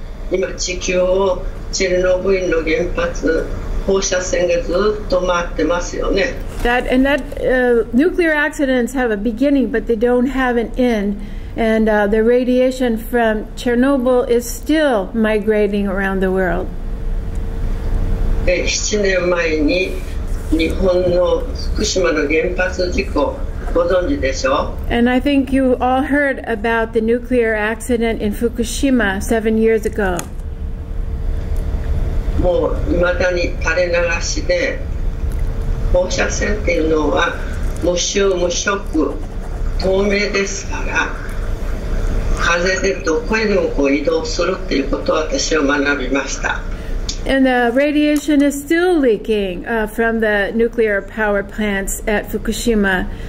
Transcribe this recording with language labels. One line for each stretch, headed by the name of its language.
English: That nuclear accidents have a beginning, but they don't have an end. And the radiation from Chernobyl is still migrating around the world.
Japanese: 7年前に日本の福島の原発事故、ご存知でしょう?
English: And I think you all heard about the nuclear accident in Fukushima 7 years ago. And the radiation is still leaking from the nuclear power plants at Fukushima.